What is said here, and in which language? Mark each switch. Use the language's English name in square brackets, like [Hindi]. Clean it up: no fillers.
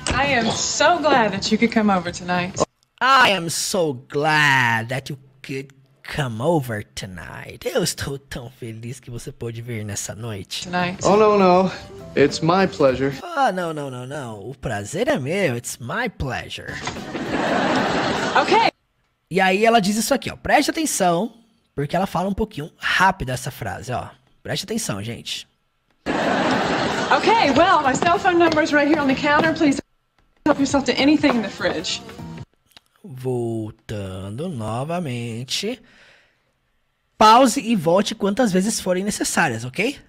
[English] I am so glad that you could come over tonight. I am so glad that you could come over tonight. [Portuguese] Eu estou tão feliz que você pôde vir nessa noite. [English] Tonight. Oh, no, no. It's my pleasure. [Portuguese] Ah, oh, não, não, não, não. O prazer é meu. [English] It's my pleasure. Ok. [Portuguese] E aí ela diz isso aqui, ó, preste atenção, porque ela fala um pouquinho rápido essa frase, ó, preste atenção, gente. [English] Ok, well, my cell phone number is right here on the counter, please help yourself to anything in the fridge. [Portuguese] Voltando novamente, pause e volte quantas vezes forem necessárias, ok?